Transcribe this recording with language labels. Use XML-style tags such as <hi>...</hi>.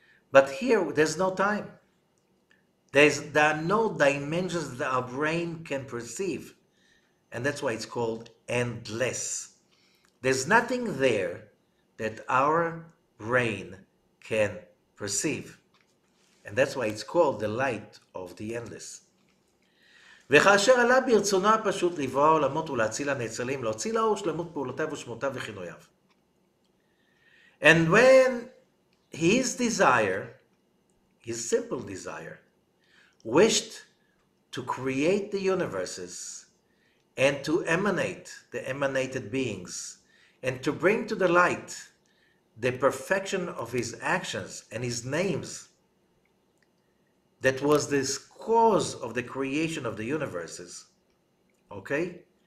<en>But here, there's no time. There are no dimensions that our brain can perceive. And that's why it's called endless. There's nothing there that our brain can perceive. And that's why it's called the light of the endless.</en> <he>וכאשר עלה ברצונו הפשוט לברוע עולמות ולהציל הנצלים, להוציא לאור שלמות פעולותיו ושמותיו וכינויו.</he> <en>And when his desire, his simple desire, wished to create the universes and to emanate the emanated beings and to bring to the light the perfection of his actions and his names, that was this cause of the creation of the universes. Okay?</en>